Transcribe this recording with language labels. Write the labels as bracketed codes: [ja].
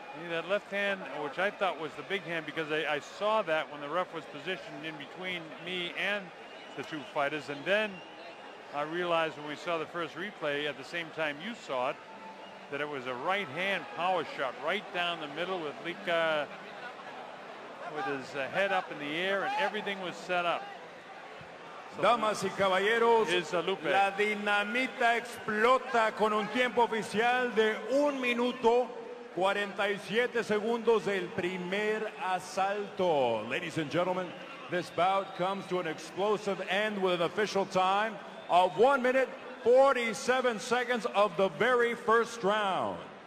[en] That left hand, which I thought was the big hand, because I saw that when the ref was positioned in between me and the two fighters. And then I realized when we saw the first replay at the same time you saw it, that it was a right hand power shot right down the middle with Lika with his head up in the air, and everything was set up. [es] Damas y caballeros, la Dinamita explota con un tiempo oficial de 1:47 segundos del primer asalto. [en] Ladies and gentlemen, this bout comes to an explosive end with an official time of 1:47 of the very first round.